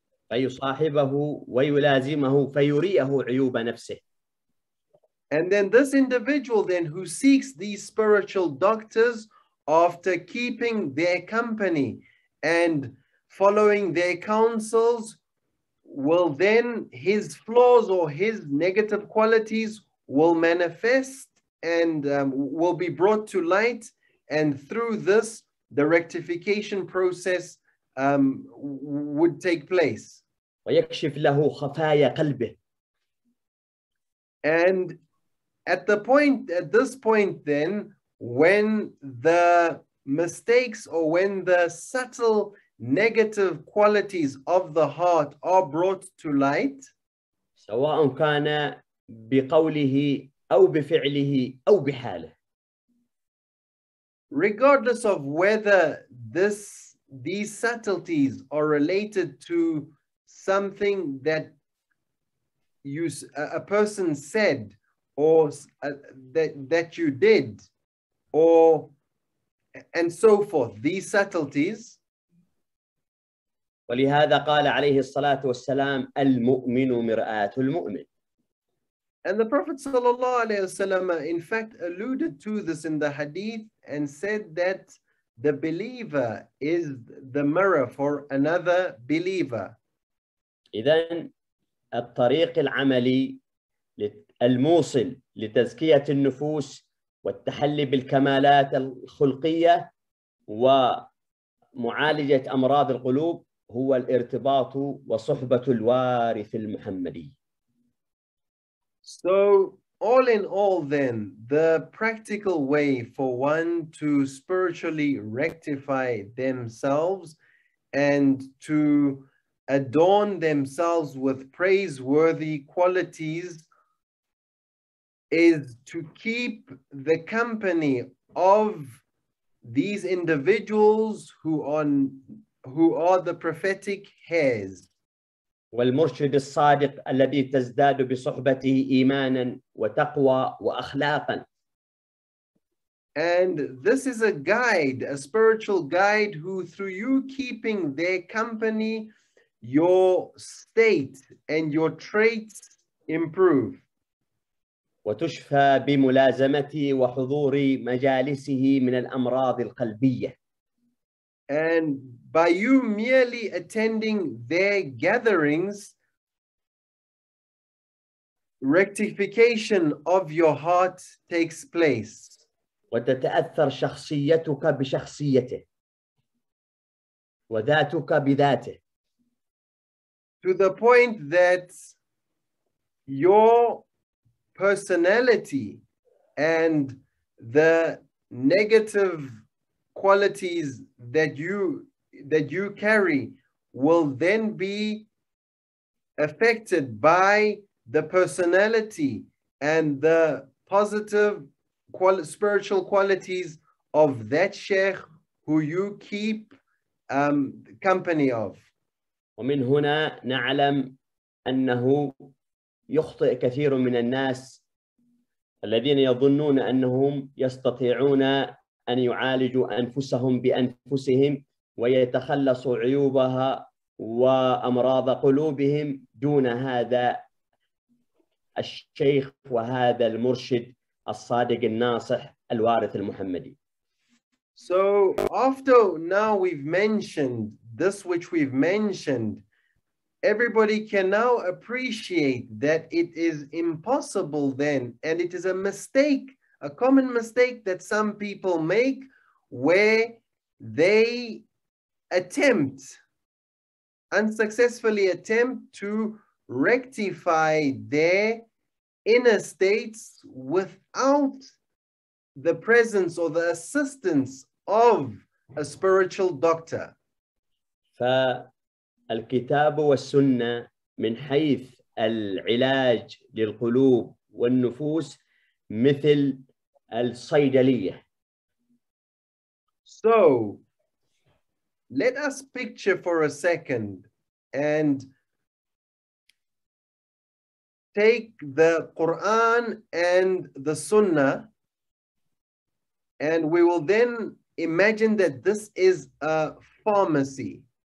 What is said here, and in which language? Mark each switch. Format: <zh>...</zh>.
<ar>فيصاحبه ويلازمه فيريه عيوب نفسه.</ar> <en>And then this individual then who seeks these spiritual doctors, after keeping their company and following their counsels, will then his flaws or his negative qualities will manifest and will be brought to light, and through this the rectification process would take place.</en> <ar>ويكشف له خفايا قلبه.</ar> <en>And at this point then, when the mistakes or when the subtle negative qualities of the heart are brought to light,</en> <ar>سواء كان بقوله أو بفعله أو بحاله.</ar> <en>Regardless of whether these subtleties are related to something that a person said, or that you did, or and so forth, these subtleties.</en> <ar>ولهذا قال عليه الصلاة والسلام المؤمن مرآة المؤمن.</ar> <en>And the Prophet</en> <ar>sallallahu alaihi wasallam</ar> <en>in fact alluded to this in the hadith and said that the believer is the mirror for another believer.</en> <ar>إذن الطريق العملي الموصل لتزكية النفوس والتحلي بالكمالات الخلقية ومعالجة أمراض القلوب هو الارتباط وصحبة الوارث المحمدي.</ar> <en>So all in all then, the practical way for one to spiritually rectify themselves and to adorn themselves with praiseworthy qualities is to keep the company of these individuals who are the prophetic heirs.</en> <ar>والمرشد الصادق الذي تزداد بصحبته إيمانا وتقوى وأخلاقا.</ar> <en>And this is a guide, a spiritual guide, who through you keeping their company, your state and your traits improve.</en> <ar>وتشفى بملازمتي وحضوري مجالسه من الأمراض القلبية.</ar> <en>And by you merely attending their gatherings, rectification of your heart takes place.</en> <ar>وتتأثر شخصيتك بشخصيته وذاتك بذاته.</ar> <en>To the point that your personality and the negative qualities that you carry will then be affected by the personality and the positive spiritual qualities of that sheikh who you keep company of.</en> <ar>ومن هنا نعلم أنه يخطئ كثير من الناس الذين يظنون أنهم يستطيعون أن يعالجوا أنفسهم بأنفسهم ويتخلصوا عيوبها وأمراض قلوبهم دون هذا الشيخ وهذا المرشد الصادق الناصح الوارث المحمدي.</ar> <en>So after now we've mentioned this which we've mentioned, everybody can now appreciate that it is impossible then, and it is a mistake, a common mistake that some people make where they attempt, unsuccessfully attempt to rectify their inner states without the presence or the assistance of a spiritual doctor.</en> <ar>فالكتاب والسنة من حيث العلاج للقلوب والنفوس مثل الصيدلية.</ar> <en>So let us picture for a second and take the Quran and the Sunnah, and we will then imagine that this is a pharmacy.</en>